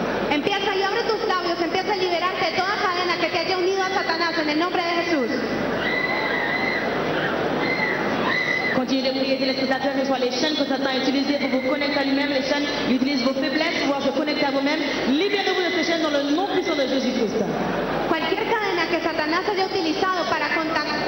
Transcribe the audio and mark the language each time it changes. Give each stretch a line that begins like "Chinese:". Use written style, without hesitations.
Spanish: Empieza y abre tus labios, empieza a liberarte de toda cadena que te haya unido a Satanás en el nombre de Jesús.
French: Continuez de prier, dites les spectateurs, que ce soit les chaînes que Satan a utilisées pour vous connecter à lui-même, les chaînes, il utilise vos faiblesses pour se connecter à vous-même. Libérez-vous de ces chaînes dans le nom puissant de Jésus-Christ.
Spanish: Cualquier cadena que Satanás haya utilizado para contactar.